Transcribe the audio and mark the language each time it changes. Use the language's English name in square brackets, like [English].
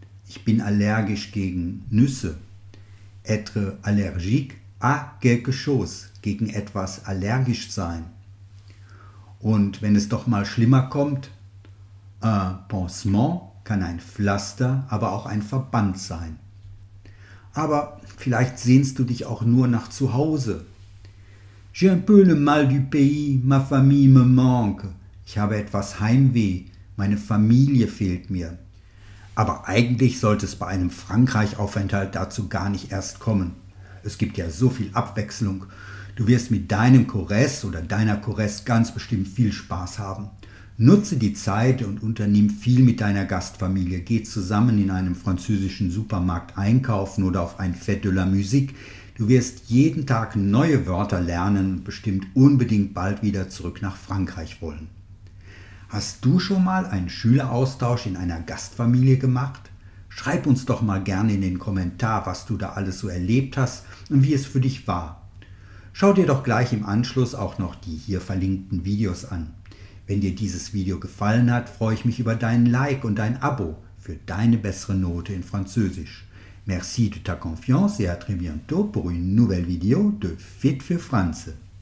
[German] Ich bin allergisch gegen Nüsse. [French] Être allergique à quelque chose, [German] gegen etwas allergisch sein. Und wenn es doch mal schlimmer kommt: [French] Un pansement [German] kann ein Pflaster, aber auch ein Verband sein. Aber vielleicht sehnst du dich auch nur nach zu Hause. [French] J'ai un peu le mal du pays, ma famille me manque. [German] Ich habe etwas Heimweh, meine Familie fehlt mir. Aber eigentlich sollte es bei einem Frankreich-Aufenthalt dazu gar nicht erst kommen. Es gibt ja so viel Abwechslung. Du wirst mit deinem Kores oder deiner Kores ganz bestimmt viel Spaß haben. Nutze die Zeit und unternimm viel mit deiner Gastfamilie. Geh zusammen in einem französischen Supermarkt einkaufen oder auf ein Fête de la Musique. Du wirst jeden Tag neue Wörter lernen und bestimmt unbedingt bald wieder zurück nach Frankreich wollen. Hast du schon mal einen Schüleraustausch in einer Gastfamilie gemacht? Schreib uns doch mal gerne in den Kommentar, was du da alles so erlebt hast und wie es für dich war. Schau dir doch gleich im Anschluss auch noch die hier verlinkten Videos an. Wenn dir dieses Video gefallen hat, freue ich mich über deinen Like und dein Abo für deine bessere Note in Französisch. [French] Merci de ta confiance et à très bientôt pour une nouvelle vidéo de Fit für Franze.